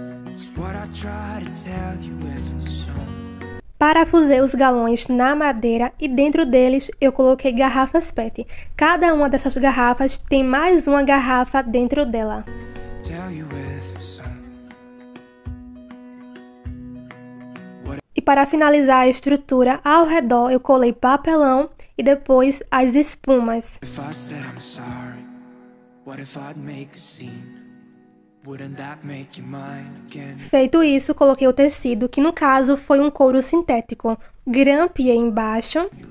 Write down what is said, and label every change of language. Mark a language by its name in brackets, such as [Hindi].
[English] It's what I try to tell you with my song. [Portuguese] Parafusei os galões na madeira e dentro deles eu coloquei garrafas PET. Cada uma dessas garrafas tem mais uma garrafa dentro dela. [English] Tell you with my song. [Portuguese] E para finalizar a estrutura, ao redor eu colei papelão e depois as espumas. [English] If I said I'm sorry, what if I'd make a scene? Wouldn't that make you mine again? [Portuguese] Feito isso, coloquei o tecido, que no caso foi um couro sintético. Grampiei embaixo.